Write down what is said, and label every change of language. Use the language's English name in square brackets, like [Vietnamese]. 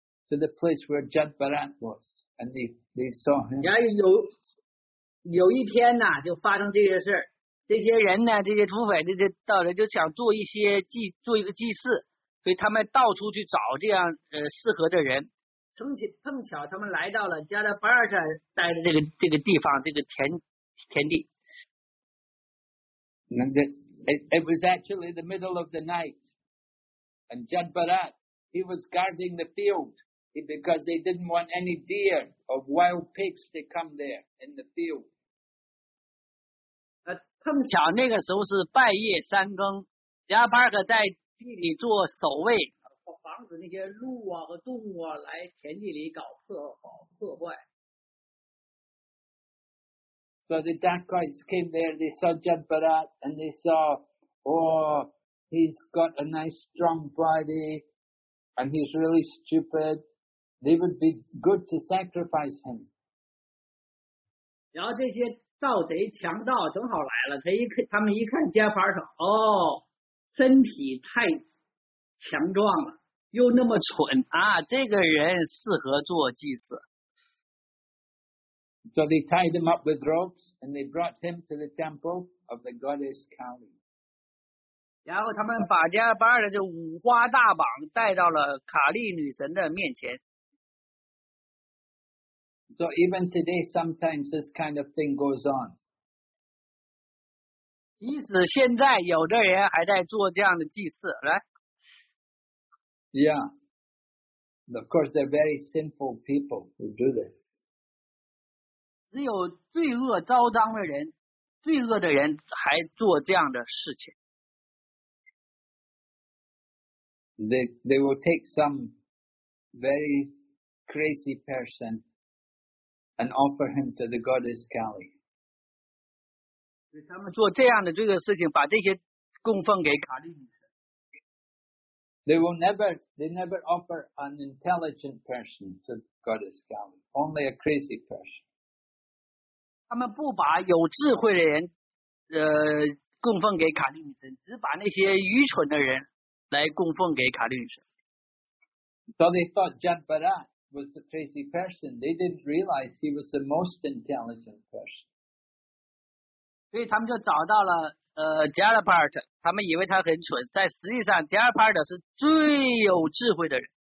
[English] To the place where Judd Barat was, and they saw him. [Chinese] 然后有一天呢，就发生这些事儿。这些人呢，这些土匪，这些道人就想做一个祭祀，所以他们到处去找这样适合的人。碰巧他们来到了加德巴尔山待的这个地方，这个田地。 [English] And it was actually the middle of the night, and Judd Barat, he was guarding the field. Because they didn't want any deer or wild pigs to come there in the field. [Chinese] 碰巧那个时候是半夜三更，加巴尔克在地里做守卫，防止那些鹿啊和动物啊来田地里搞破坏。 [English] So the dacoits came there, they saw Judd Barat, and they saw, oh, he's got a nice strong body, and he's really stupid. They would be good to sacrifice him. [Chinese] 然后这些盗贼强盗正好来了，他们一看加巴尔特，哦，身体太强壮了，又那么蠢啊，这个人适合做祭祀。 [English] So they tied him up with ropes and they brought him to the temple of the goddess Kali. [Chinese] 然后他们把加巴尔特就五花大绑带到了卡利女神的面前。 [English] So even today, sometimes this kind of thing goes on. [Chinese] 即使现在有的人还在做这样的祭祀，来。 [English] Yeah. Of course, they're very sinful people who do this. [Chinese] 只有罪恶昭彰的人，罪恶的人还做这样的事情。 [English] They will take some very crazy person. And offer him to the goddess Kali. [Chinese] 他们做这样的这个事情，把这些供奉给卡利女神。 [English] They never offer an intelligent person to goddess Kali. Only a crazy person. [Chinese] 他们不把有智慧的人，供奉给卡利女神，只把那些愚蠢的人来供奉给卡利女神。 [English] So they thought Judd Barat was the crazy person. They didn't realize he was the most intelligent person. [Chinese] 所以他们就找到了Jalabert, 他们以为他很蠢，但实际上 Jalabert 是最有智慧的人。